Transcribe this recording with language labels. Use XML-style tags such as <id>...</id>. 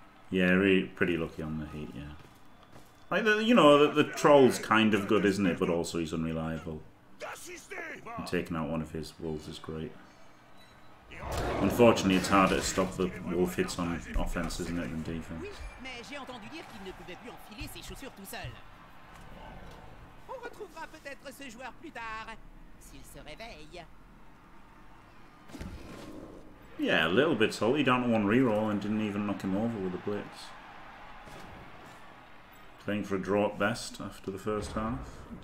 <en>Yeah, really pretty lucky on the heat, yeah. Like, the troll's kind of good, isn't it? But also he's unreliable. And taking out one of his wolves is great. Unfortunately, it's harder to stop the wolf hits on offense, isn't it, than defense.</en> <fr>J'ai entendu dire qu'il ne pouvait plus enfiler ses chaussures tout seul. On retrouvera peut-être ce joueur plus tard, s'il se réveille.</fr> <en>Yeah, a little bit salty down to one reroll and didn't even knock him over with a blitz. Playing for a draw at best after the first half.</en>